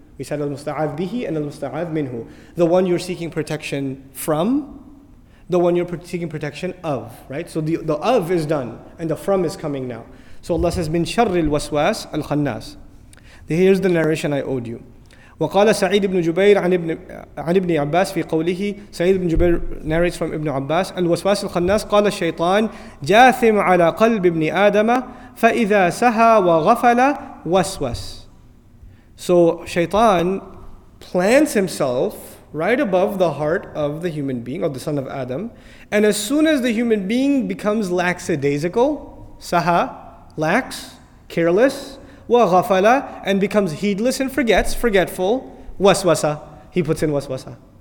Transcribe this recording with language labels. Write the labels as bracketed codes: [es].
[en] We said al-musta'adh bihi and al-musta'adh minhu. The one you're seeking protection from, the one you're seeking protection of, right? So the of is done, and the from is coming now. So Allah says min sharril waswas al-khannas. Here's the narration I owed you. [ar] وقال سعيد بن جبير عن ابن عباس في قوله سعيد بن جبير [en] narrates from [ar] ابن عباس الوسواس الخناس قال الشيطان جاثم على قلب ابن آدم فإذا سهى وغفل وسوس. [en] So شيطان plants himself right above the heart of the human being, of the son of Adam, and as soon as the human being becomes lackadaisical, سهى, lax, careless, وَغَفَلَ, and becomes heedless and forgets, forgetful, waswasa, he puts in waswasa.